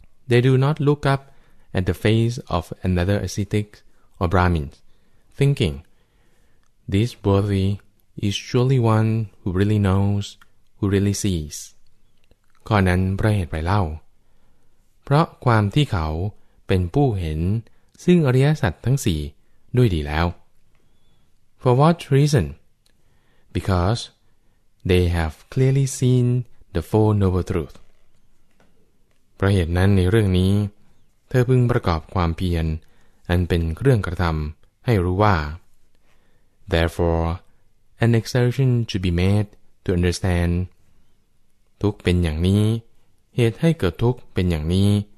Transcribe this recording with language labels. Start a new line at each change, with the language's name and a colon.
English: They do not look up at the face of another ascetic or Brahmin thinking this worthy is surely one who really knows who really sees
Thai: ข้อนั้นเพราะเหตุไรเล่าเพราะความที่เขาเป็นผู้เห็นซึ่งอริยสัจทั้งสี่ด้วยดีแล้ว
English: For what reason? Because they have clearly seen the Four Noble Truths.
Thai: เพราะเหตุนั้นในเรื่องนี้เธอพึงประกอบความเพียรอันเป็นเครื่องกระทําให้รู้ว่า
English: Therefore, an exertion should be made to understand
Thai: ทุกเป็นอย่างนี้เหตุให้เกิดทุกเป็นอย่างนี้